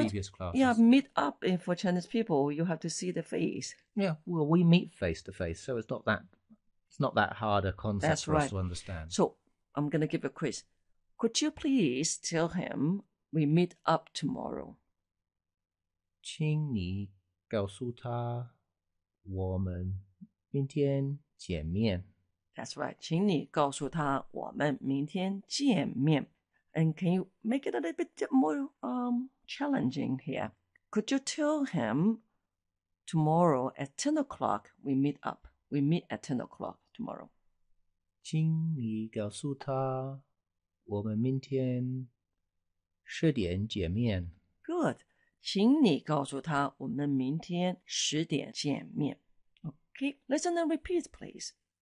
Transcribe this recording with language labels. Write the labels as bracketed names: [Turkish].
[English] previous classes. Yeah, meet up for Chinese people, you have to see the face. Yeah, well, we meet face to face, so it's not that hard a concept that's for right. us to understand. So, I'm going to give a quiz. Could you please tell him we meet up tomorrow? [Chinese] 请你告诉他我们明天见面。 [English] That's right. [Chinese] 请你告诉他我们明天见面。 [English] And can you make it a little bit more challenging here? Could you tell him tomorrow at 10 o'clock we meet up? We meet at 10 o'clock tomorrow. [Chinese] 请你告诉他我们明天十点见面。 [English] Good. [Chinese] 请你告诉他我们明天十点见面。 [English] Okay, listen and repeat, please.